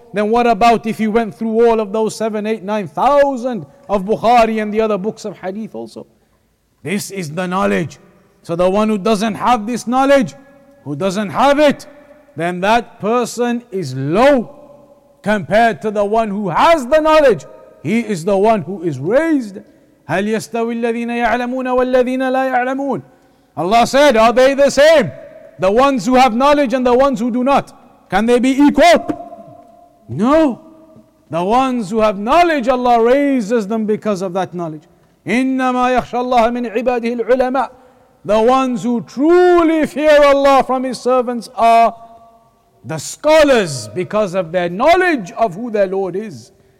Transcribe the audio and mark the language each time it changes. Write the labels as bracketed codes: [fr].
[en] Then what about if you went through all of those 7, 8, 9,000 of Bukhari and the other books of hadith also? This is the knowledge. So the one who doesn't have this knowledge, who doesn't have it, then that person is low compared to the one who has the knowledge. He is the one who is raised. [ar] هَلْ يَسْتَوِي الَّذِينَ يَعْلَمُونَ وَالَّذِينَ لَا يَعْلَمُونَ [en] Allah said, are they the same? The ones who have knowledge and the ones who do not. Can they be equal? No. The ones who have knowledge, Allah raises them because of that knowledge. [ar] إِنَّمَا يَخْشَى اللَّهَ مِنْ عِبَادِهِ الْعُلَمَاءِ [en] The ones who truly fear Allah from His servants are the scholars because of their knowledge of who their Lord is.